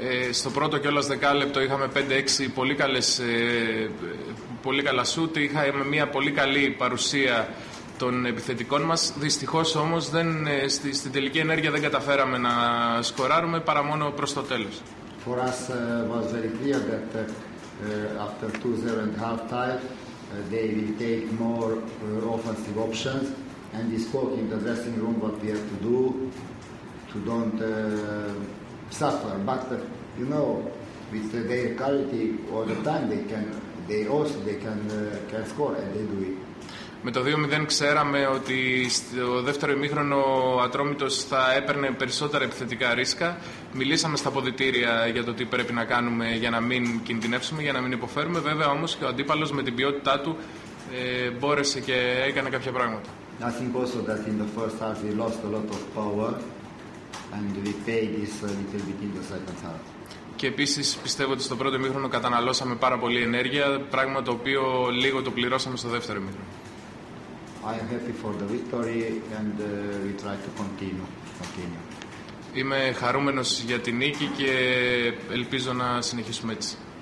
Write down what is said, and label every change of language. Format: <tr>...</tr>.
<el>Στο πρώτο κιόλας δεκάλεπτο είχαμε 5-6 πολύ καλές, πολύ καλά σούτ. Είχαμε μια πολύ καλή παρουσία των επιθετικών μας. Δυστυχώς όμως δεν, στην τελική ενέργεια δεν καταφέραμε να σκοράρουμε παρά μόνο προς το τέλος.</el> <en>For us was very clear that after 2-0 and half time they will take more offensive options and we spoke in the dressing room what we have to do to don't suffer. But you know, with their quality all the time they can, they also they can can score and they do it.</en> <el>Με το 2-0 ξέραμε ότι στο δεύτερο ημίχρονο ο Ατρόμητος θα έπαιρνε περισσότερα επιθετικά ρίσκα. Μιλήσαμε στα αποδυτήρια για το τι πρέπει να κάνουμε για να μην κινδυνεύσουμε, για να μην υποφέρουμε. Βέβαια όμως και ο αντίπαλος με την ποιότητά του μπόρεσε και έκανε κάποια πράγματα.</el> <en>I think also that in the first half we lost a lot of power and we paid this a little bit in the second half.</en> <el>Και επίσης πιστεύω ότι στο πρώτο ημίχρονο καταναλώσαμε πάρα πολύ ενέργεια, πράγμα το οποίο λίγο το πληρώσαμε στο δεύτερο ημίχρονο.</el> <en>I am happy for the victory and we try to continue.</en> <el>Είμαι χαρούμενος για την νίκη και ελπίζω να συνεχίσουμε έτσι.</el>